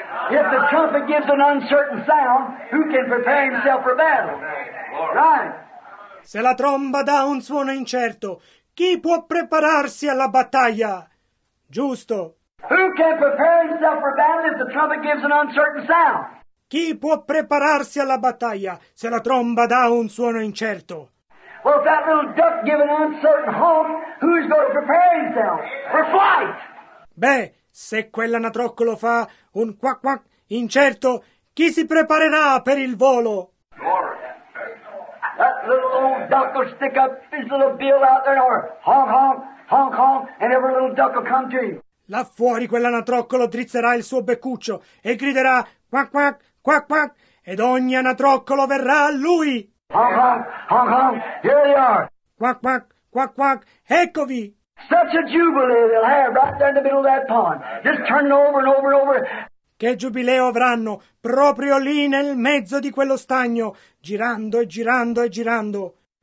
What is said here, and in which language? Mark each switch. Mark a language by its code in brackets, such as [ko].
[en] If the trumpet gives an uncertain sound, who can prepare himself for battle? Right. [it] Se la tromba dà un suono incerto, chi può prepararsi alla battaglia? Giusto. [en] Who can prepare himself for battle if the trumpet gives an uncertain sound? [it] Chi può prepararsi alla battaglia se la tromba dà un suono incerto? [en] Well, if that little duck gives an uncertain honk, who's going to prepare himself for flight? [it] Beh, se quell'anatroccolo fa un quack quack incerto, chi si preparerà per il volo? [en] Little old duck will stick up his little bill out there and honk honk, honk honk, and every little duck will come to him. [it] Là fuori quell'anatroccolo drizzerà il suo beccuccio e griderà quack quack, quack quack, ed ogni anatroccolo verrà a lui. [en] Honk honk, honk honk, here they are. [it] Quack quack, quack quack, eccovi. [en] Such a jubilee they'll have right there in the middle of that pond, just turning over and over and over. [it] Che giubileo avranno proprio lì nel mezzo di quello stagno, girando e girando e girando.